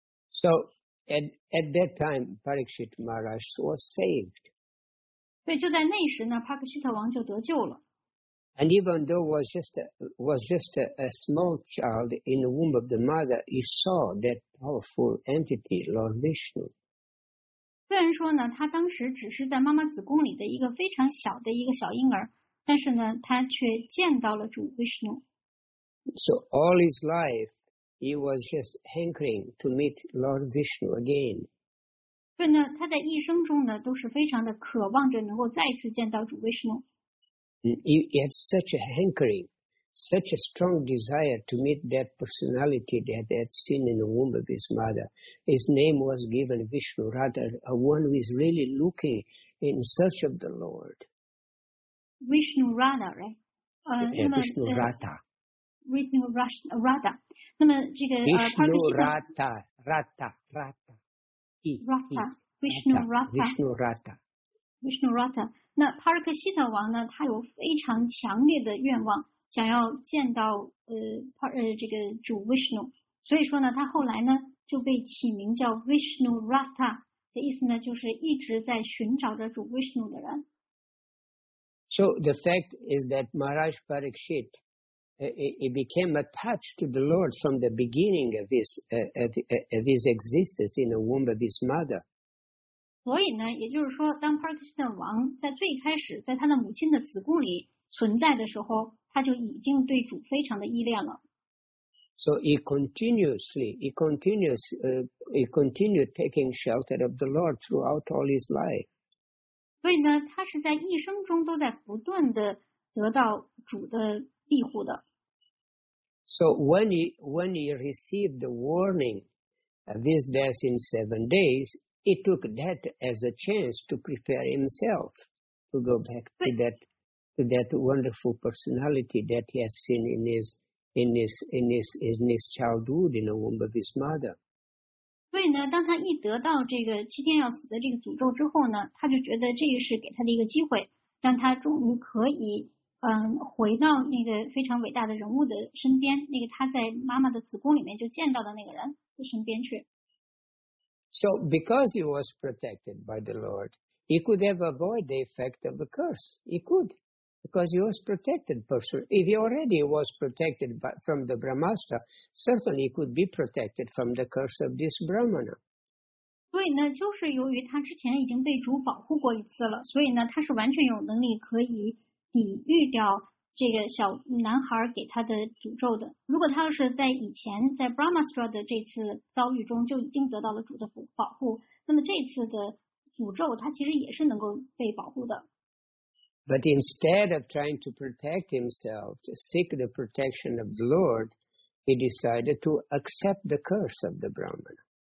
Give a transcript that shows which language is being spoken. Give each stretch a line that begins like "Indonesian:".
English: So at that time, Parikshit Maharaj was saved.
Chinese: 所以就在那时呢 ，Parikshit 王就得救了。
English: And even though was just a small child in the womb of the mother, he saw that powerful entity, Lord Vishnu.
Chinese: 虽然说呢，他当时只是在妈妈子宫里的一个非常小的一个小婴儿。但是呢，他却见到了主 Vishnu.
English: So all his life, he was just hankering to meet Lord Vishnu again.
Chinese: 所以呢，他在一生中呢，都是非常的渴望着能够再次见到主 Vishnu.
English: He had such a hankering, such a strong desire to meet that personality that he had seen in the womb of his mother. His name was given Vishnu, rather a one who is really looking in search of the Lord. Vishnu Radha, right? Vishnu Radha. Vishnu Radha.
Chinese: 那么这个
English: Vishnu Radha, Radha, Radha. Radha, Vishnu Radha. Vishnu Radha.
Chinese: Vishnu Radha. 那 Parikshita 王呢，他有非常强烈的愿望，想要见到这个主 Vishnu。所以说呢，他后来呢就被起名叫 Vishnu Radha， 的意思呢就是一直在寻找着主 Vishnu 的人。
English: So the fact is that Maharaj Parikshit, he became attached to the Lord from the beginning of his existence in the womb of his mother.
Chinese: 所以呢，也就是说，当 Parikshit 王在最开始在他的母亲的子宫里存在的时候，他就已经对主非常的依恋了。
English: So he continued taking shelter of the Lord throughout all his life.
Chinese: 所以呢，他是在一生中都在不断的得到主的庇护的。
English: So when he received the warning of his death in 7 days, he took that as a chance to prepare himself to go back to that wonderful personality that he has seen in his childhood in the womb of his mother.
Chinese: 所以呢，当他一得到这个七天要死的这个诅咒之后呢，他就觉得这个是给他的一个机会，让他终于可以回到那个非常伟大的人物的身边，那个他在妈妈的子宫里面就见到的那个人的身边去。
English: So because he was protected by the Lord, he could have avoided the effect of the curse. He could. Because he was protected, if he already was protected from the Brahmastra, certainly he could be protected from the curse of this Brahmana.
Chinese: 所以呢，就是由于他之前已经被主保护过一次了，所以呢，他是完全有能力可以抵御掉这个小男孩给他的诅咒的。如果他要是在以前在 Brahmastra 的这次遭遇中就已经得到了主的保护，那么这次的诅咒他其实也是能够被保护的。
English: But instead of trying to protect himself, to seek the protection of the Lord, he decided to accept the curse of the Brahmana.